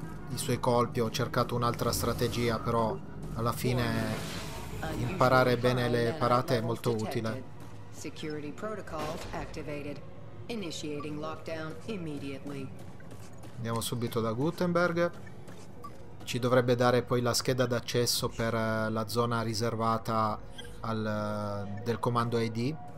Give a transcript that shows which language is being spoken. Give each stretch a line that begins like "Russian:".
Italian: i suoi colpi, ho cercato un'altra strategia, però alla fine imparare bene le parate è molto utile.
English: Security protocols activated. Initiating lockdown immediately.
Italian: Andiamo subito da Gutenberg. Ci dovrebbe dare poi la scheda d'accesso per la zona riservata al del comando ID.